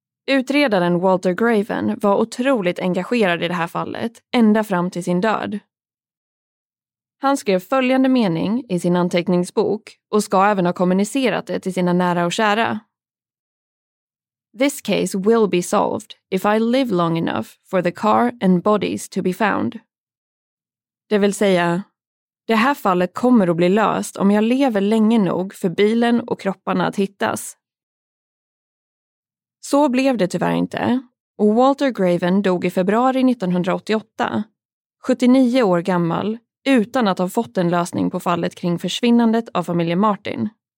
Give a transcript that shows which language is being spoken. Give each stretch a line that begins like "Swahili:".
Swedish: Utredaren Walter Graven var otroligt engagerad i det här fallet, ända fram till sin död. Han skrev följande mening i sin anteckningsbok och ska även ha kommunicerat det till sina nära och kära.
English: "This case will be solved if I live long enough for the car and bodies to be found."
Swedish: Det vill säga, det här fallet kommer att bli löst om jag lever länge nog för bilen och kropparna att hittas. Så blev det tyvärr inte, och Walter Graven dog i februari 1988, 79 år gammal, utan att ha fått en lösning på fallet kring försvinnandet av familjen Martin.